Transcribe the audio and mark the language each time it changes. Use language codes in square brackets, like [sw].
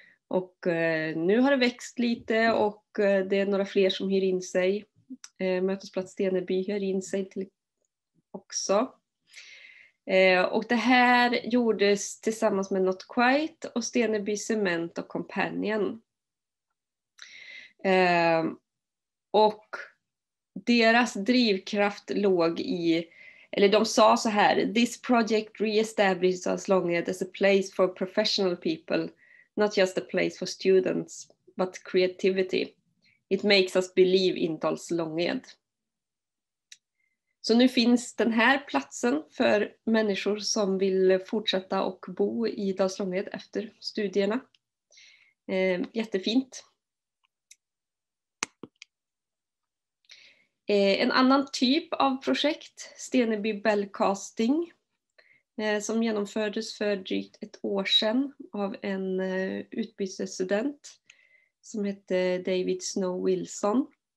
[sv] Och nu har det växt lite och det är några fler som hyr in sig. Mötesplats Steneby hyr in sig till också. Och det här gjordes tillsammans med Not Quite och Steneby Cement och Companion. Och deras drivkraft låg i, eller de sa så här: [en] "This project re-establishes as long as a place for professional people, not just a place for students, but creativity. It makes us believe in Dals Långed." [sv] Så nu finns den här platsen för människor som vill fortsätta och bo i Dals Långed efter studierna. Jättefint. En annan typ av projekt, Steneby Bellcasting, som genomfördes för drygt ett år sedan av en utbytesstudent som hette David Snow Wilson.